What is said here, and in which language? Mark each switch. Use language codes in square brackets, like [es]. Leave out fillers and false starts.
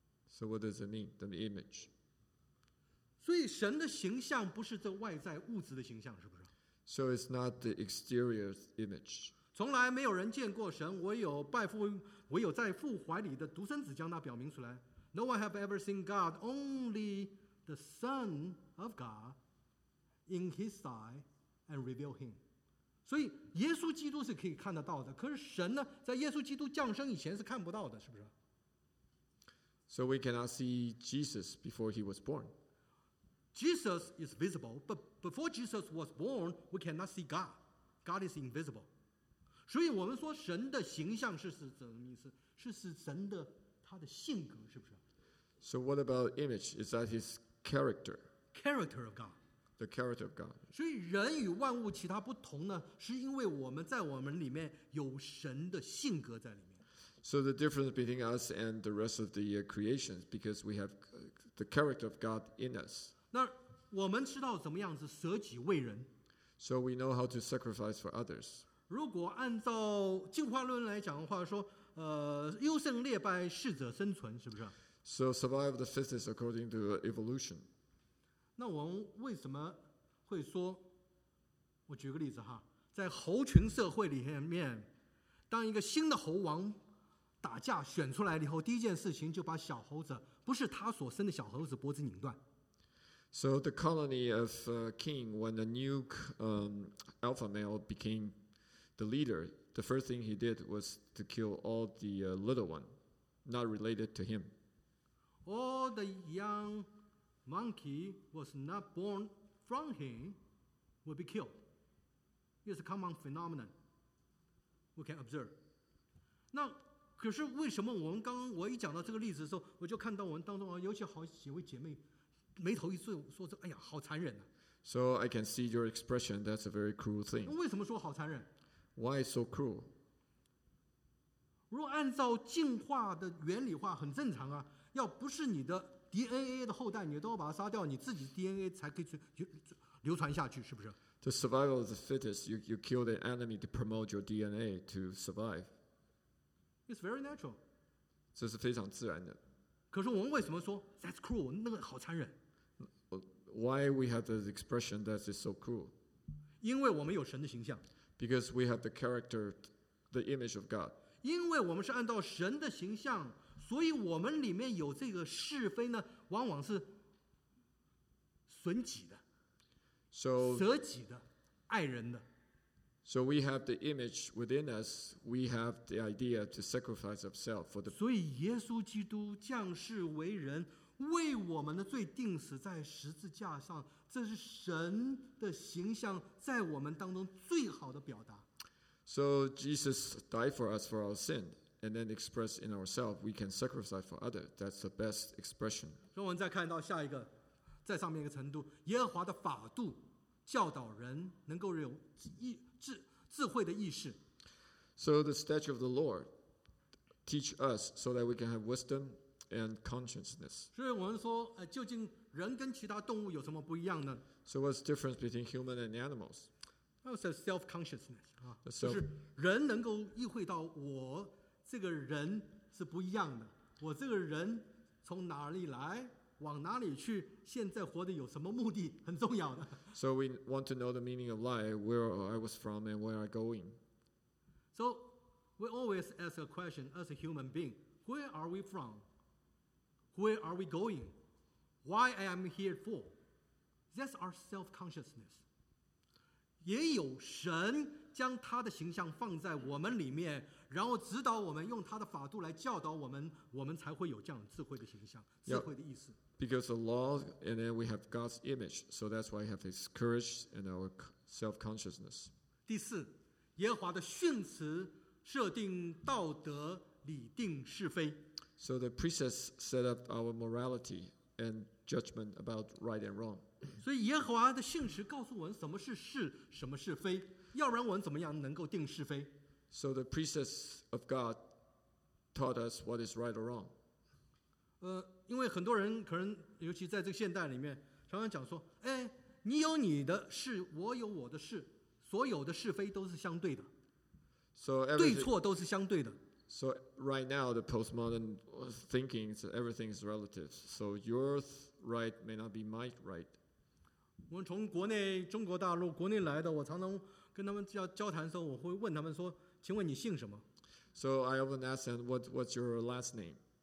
[en] So what does it mean, the image? [zh] 所以神的形象不是这外在物质的形象，是不是？ [en] So it's not the exterior image. [zh] 从来没有人见过神，唯有拜父，唯有在父怀里的独生子将他表明出来。 [en] No one have ever seen God, only the Son of God in his side and reveal him. [zh] 所以耶稣基督是可以看得到的，可是神呢，在耶稣基督降生以前是看不到的，是不是？ [en] So we cannot see Jesus before he was born. Jesus is visible, but before Jesus was born, we cannot see God. God is invisible. [zh] 所以我们说神的形象是什么意思？是指神的他的性格，是不是？ [en] So what about image? Is that his character? Character of God. The character of God. [zh] 所以人与万物其他不同呢，是因为我们在我们里面有神的性格在里面。 [en] So the difference between us and the rest of the creation is because we have the character of God in us. [zh] 那我们知道怎么样子舍己为人。 [en] So we know how to sacrifice for others. [zh] 如果按照进化论来讲的话，说优胜劣败，适者生存，是不是？ [en] So survive the fittest according to evolution. [zh] 那我们为什么会说，我举个例子哈，在猴群社会里面，当一个新的猴王打架选出来以后，第一件事情就把小猴子，不是他所生的小猴子，脖子拧断。 [en] So the colony of king, when the new alpha male became the leader, the first thing he did was to kill all the little one, not related to him. All the young monkey was not born from him will be killed. It's a common phenomenon we can observe. [zh] 那可是为什么我们刚刚我一讲到这个例子的时候，我就看到我们当中啊，尤其好几位姐妹眉头一皱，说这哎呀好残忍啊。 [en] So I can see your expression. That's a very cruel thing. [zh] 为什么说好残忍 [en] ？Why so cruel？ [zh] 如果按照进化的原理话，很正常啊。要不是你的 DNA 的后代，你都要把它杀掉，你自己 DNA 才可以去流传下去，是不是 [en] ？The survival of the fittest. You kill the enemy to promote your DNA to survive. It's very natural. [zh] 这是非常自然的。可是我们为什么说 [en] that's cruel, [zh] 那个好残忍？ [en] Why we have the expression that is so cruel? [zh] 因为我们有神的形象。 [en] Because we have the character, the image of God. [zh] 因为我们是按照神的形象，所以我们里面有这个是非呢，往往是损己的。 [en] So, [zh] 舍己的，爱人的。 [en] So we have the image within us. We have the idea to sacrifice ourselves for the. [zh] 所以耶稣基督降世为人，为我们的罪钉死在十字架上。这是神的形象在我们当中最好的表达。 [en] So Jesus died for us for our sin, and then expressed in ourselves we can sacrifice for others. That's the best expression. [zh] 所以我们再看到下一个，在上面一个程度，耶和华的法度教导人能够有智慧的意识。 [en] So the statute of the Lord teach us so that we can have wisdom and consciousness. [zh] 所以我们说，究竟人跟其他动物有什么不一样呢？ [en] So what's the difference between human and animals? That's a self-consciousness. [zh] 就是人能够意会到我这个人是不一样的，我这个人从哪里来，往哪里去，现在活得有什么目的，很重要的。 [en] So we want to know the meaning of life, where I was from and where I going. So we always ask a question as a human being, where are we from? Where are we going? Why I am here for? That's our self-consciousness. [zh] 也有神将他的形象放在我们里面，然后指导我们，用他的法度来教导我们，我们才会有这样智慧的形象，智慧的意思。 [en] Yep. Because the law, and then we have God's image, so that's why we have his courage and our self-consciousness. [zh] 第四，耶和华的训词设定道德，理定是非。 [en] So the precepts set up our morality and judgment about right and wrong. [zh] 所以耶和华的训词告诉我们什么是是，什么是非。要不然我们怎么样能够定是非？ [en] So the precepts of God taught us what is right or wrong. [zh] 因为很多人可能，尤其在这个现代里面，常常讲说，哎，你有你的事，我有我的事，所有的是非都是相对的。 [en] So [zh] 对错都是相对的。 [en] So right now the postmodern thinking is everything is relative. So your right may not be my right. [zh] 我们从国内中国大陆国内来的，我常常跟他们交谈的时候，我会问他们说：“请问你姓什么 [en] ？”So I often ask them, "What's your last name?